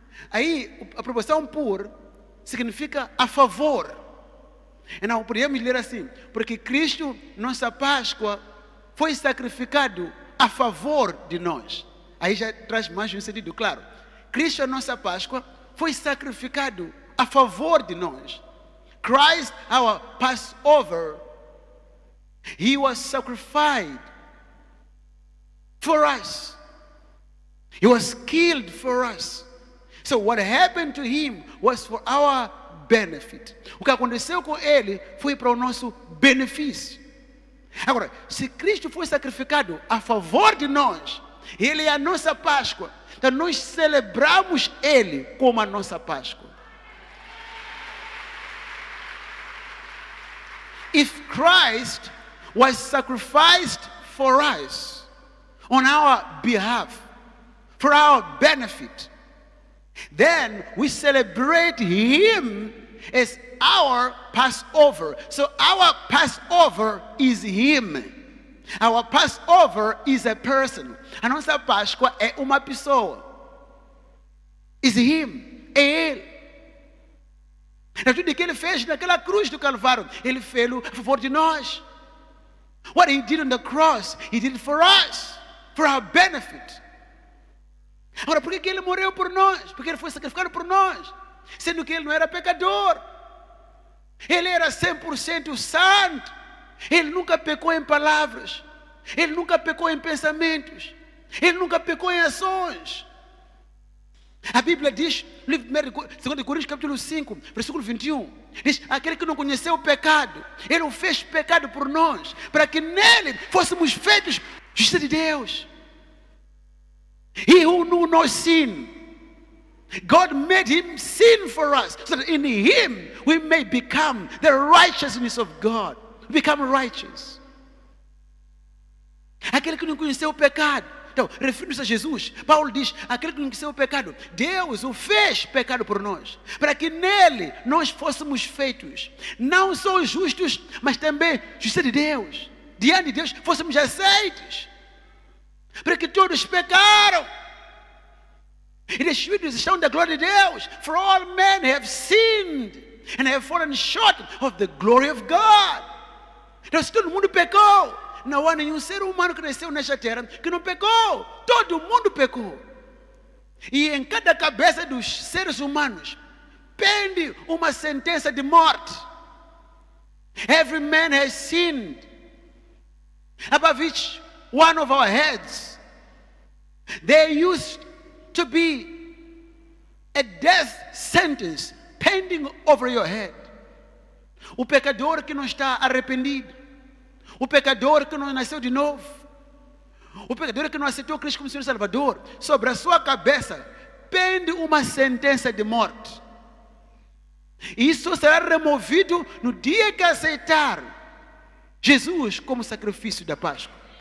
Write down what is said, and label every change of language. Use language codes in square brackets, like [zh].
[pt] Aí, a preposição por significa a favor. Então, podemos ler assim, porque Cristo, nossa Páscoa, foi sacrificado a favor de nós. Aí já traz mais um sentido, claro. Cristo, a nossa Páscoa, foi sacrificado a favor de nós. [en] Christ, our Passover, he was sacrificed for us. He was killed for us. So what happened to him was for our benefit. [pt] O que aconteceu com ele foi para o nosso benefício. Agora, se Cristo foi sacrificado a favor de nós, ele é a nossa Páscoa. Então, nós celebramos Ele como a nossa Páscoa. [en] If Christ was sacrificed for us, on our behalf, for our benefit, then we celebrate Him as our Passover. So, our Passover is Him. Our Passover is a person. [pt] A nossa Páscoa é uma pessoa. [en] Is Him. [pt] É Ele. É tudo que Ele fez naquela cruz do Calvário. Ele fez a favor de nós. [en] What He did on the cross, He did it for us. For our benefit. [pt] Agora, por que Ele morreu por nós? Porque Ele foi sacrificado por nós. Sendo que Ele não era pecador. Ele era 100% santo. Ele nunca pecou em palavras. Ele nunca pecou em pensamentos. Ele nunca pecou em ações. A Bíblia diz, no livro de 2 Coríntios capítulo 5, versículo 21, diz, aquele que não conheceu o pecado, ele o fez pecado por nós, para que nele fôssemos feitos justiça de Deus. [en] He who knew no sin, God made him sin for us, so that in him we may become the righteousness of God. Become righteous. [pt] Aquele que não conheceu o pecado. Então, referindo-se a Jesus, Paulo diz, aquele que não conheceu o pecado, Deus o fez pecado por nós, para que nele nós fôssemos feitos, não só justos, mas também justiça de Deus. Diante de Deus, fôssemos aceitos, para que todos pecaram. E destruídos estão da glória de Deus, [en] for all men have sinned, and have fallen short of the glory of God. [pt] Então, se todo mundo pecou, não há nenhum ser humano que nasceu nesta terra que não pecou. Todo mundo pecou. E em cada cabeça dos seres humanos pende uma sentença de morte. [en] Every man has sinned. Above each one of our heads, there used to be a death sentence pending over your head. [pt] O pecador que não está arrependido, o pecador que não nasceu de novo, o pecador que não aceitou Cristo como Senhor e Salvador, sobre a sua cabeça pende uma sentença de morte. E isso será removido no dia que aceitar Jesus como sacrifício da Páscoa.